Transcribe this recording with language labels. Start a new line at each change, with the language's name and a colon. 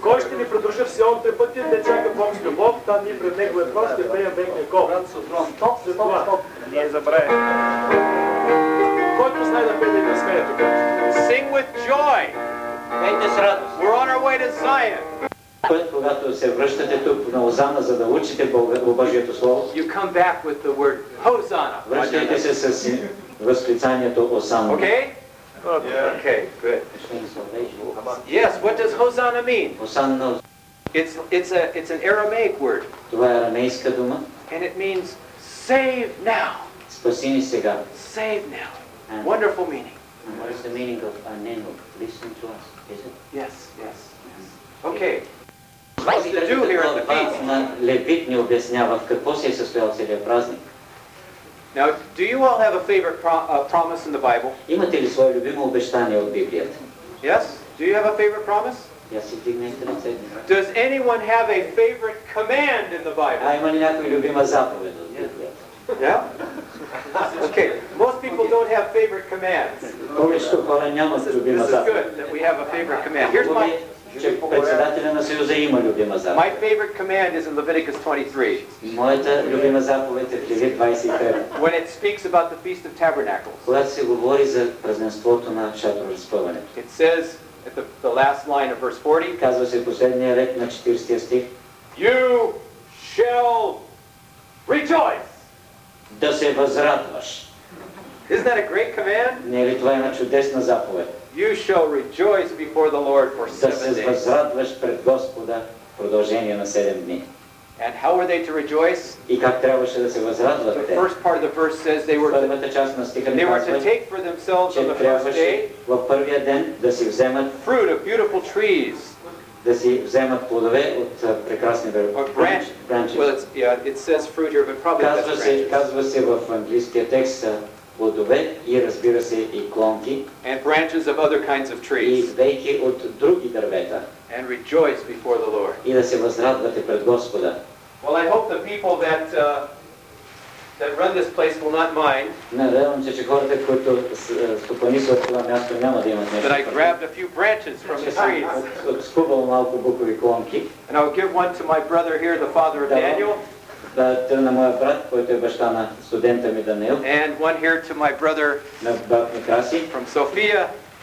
Bulgarian: Кой ще ни продължи в Сионте пътя, не чака помска Бог, там ни пред Него едва ще пеем веки веков. Брат Сутрон, стоп, стоп, стоп. Не забравяй. Който знае да пее да смее тук?
English: Sing with joy!
Bulgarian: Пейте с радост.
English: We're on our way to Zion!
Bulgarian: Когато се връщате тук на Озана, за да учите Божието Слово,
English: you come back with the word Hosanna.
Bulgarian: Връщайте се с възклицанието Осана.
English: Okay? Yeah. Okay, good. Yes, what does Hosanna mean? Hosanna. It's an Aramaic word.
Bulgarian: Това е арамейска дума.
English: And it means save now.
Bulgarian: Спаси ни сега.
English: Save now. Wonderful meaning. And what is the meaning of Anenu? Listen to us, is it? Yes, yes. Okay. What do here at the feast?
Bulgarian: На Левит ни обяснява какво се е състоял целият празник.
English: Now, do you all have a favorite promise in the Bible?
Bulgarian: Имате ли свое любимо обещание от Библията?
English: Yes? Do you have a favorite promise? Yes, it is mentioned. Does anyone have a favorite command in the Bible?
Bulgarian: А има ли някой любима заповед от Библията?
English: Yeah? Okay, most people don't have favorite commands.
Bulgarian: Повечето хора нямат любима заповед.
English: This is good that we have a favorite command. Here's my...
Bulgarian: Че председателя на Съюза има любима заповед.
English: My favorite command is in Leviticus 23.
Bulgarian: Моята любима заповед е в Левит 23.
English: When it speaks about the Feast of Tabernacles.
Bulgarian: Когато се говори за празненството на шатрово разстъване.
English: It says at the last line of verse 40.
Bulgarian: Казва се последния ред на 40-тия стих.
English: You shall rejoice.
Bulgarian: Да се възрадваш.
English: Isn't that a great command?
Bulgarian: Не е ли това една чудесна заповед?
English: You shall rejoice before the Lord for seven days.
Bulgarian: Да се възрадваш пред Господа в продължение на 7 дни.
English: And how were they to rejoice?
Bulgarian: И как трябваше да се възрадват те?
English: The first part of the verse says they were to take for themselves on the first day.
Bulgarian: В първия ден да си вземат
English: fruit of beautiful trees.
Bulgarian: Да си вземат плодове от прекрасни
English: branches. Well, it says fruit here, but probably that's branches.
Bulgarian: Казва се в английския текст плодове и, разбира се, и клонки
English: and branches of other kinds of trees.
Bulgarian: И вейки от други дървета
English: and rejoice before the Lord.
Bulgarian: И да се възрадвате пред Господа.
English: Well, I hope the people that that run this place will not mind. That I grabbed a few branches from the trees. And I will give one to my brother here, the father of Daniel. And one here to my brother from Sofia.